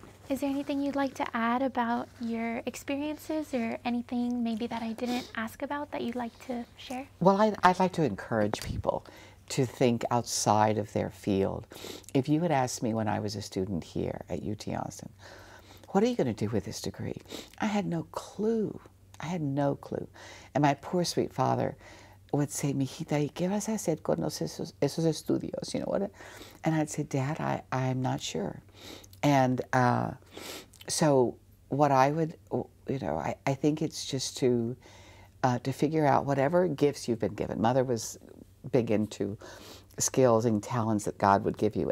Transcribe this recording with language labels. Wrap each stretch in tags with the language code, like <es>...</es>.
<en>Is there anything you'd like to add about your experiences or anything maybe that I didn't ask about that you'd like to share? Well, I'd like to encourage people to think outside of their field. If you had asked me when I was a student here at UT Austin, what are you going to do with this degree? I had no clue. I had no clue. And my poor sweet father would say,</en> <es>mijita, ¿y qué vas a hacer con esos estudios?</es> <en>You know what? And I'd say, Dad, I'm not sure. And so what I would, you know, I think it's just to figure out whatever gifts you've been given. Mother was big into skills and talents that God would give you.</en>